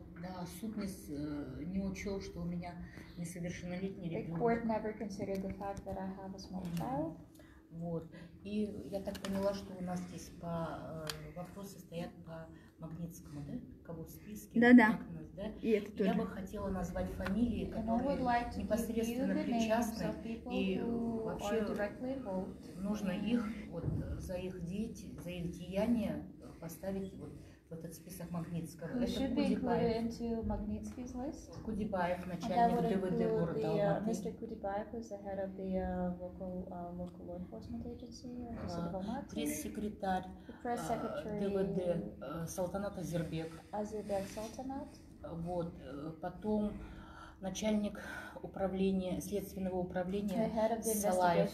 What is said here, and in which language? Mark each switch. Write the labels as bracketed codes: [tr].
[ru] Да, суд не учел, что у меня несовершеннолетний ребенок. [en] The court never considered the fact that I have a small child. [ru] Вот. И я так поняла, что у нас здесь по вопросы стоят по Магнитскому, да? Кого в списке? Да-да. Нас, да? И это тоже. Я бы хотела назвать фамилии, которые like непосредственно причастны, и вообще нужно их вот за их дети, за их деяния поставить вот в этот список Магнитского. [en] Who should be included into Magnitsky's list? [ru] Кудибаев, начальник ДВД города Алматы. [en] Mr. Кудибаев is the head of the local law enforcement agency. [ru] Пресс-секретарь ДВД Салтанат Азербек. Азербек Салтанат. Вот, потом начальник управления, следственного управления Салаев.